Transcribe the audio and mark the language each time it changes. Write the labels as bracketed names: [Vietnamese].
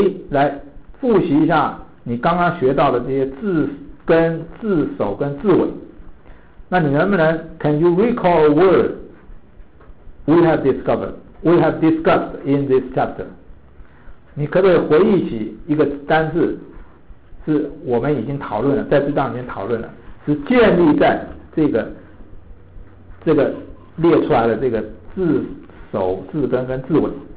[Chinese] 来复习一下你刚刚学到的这些字。跟字首跟字尾，那你能不能 [English] Can you recall a word we have discussed in this chapter? [Chinese] 你可不可以回忆起一个单字是我们已经讨论了，在这当中讨论了，是建立在这个列出来的这个字首、字根跟字尾。